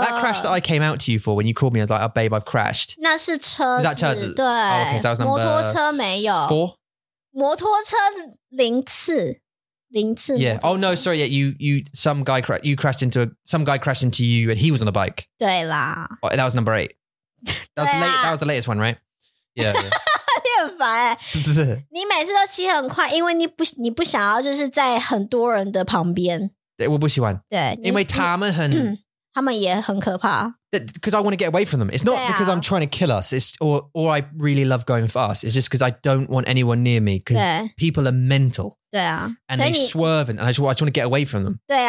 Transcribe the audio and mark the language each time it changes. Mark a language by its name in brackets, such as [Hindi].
[English] That crash that I came out to you for when you called me, I was like, oh, babe, I've crashed. [Chinese] 那是车子. [English] Is that 车子? [Chinese] 对. [English] Oh, okay, so that was number [Chinese] 摩托车没有. [English] Four? [Chinese] 摩托车零次. [English] Yeah. Oh no, sorry. Yeah, some guy crashed into you and he was on a bike. [Chinese] 对啦. [English] Oh, that was number 8. That was the latest one, right? Yeah. [Chinese] 你很烦。你每次都骑很快,因为你不想要就是在很多人的旁边。对,我不喜欢。对。因为他们很可怕。 [English] Because I want to get away from them. It's not because I'm trying to kill us. It's or I really love going fast. It's just because I don't want anyone near me because people are mental. And they swerve and I just want to get away from them.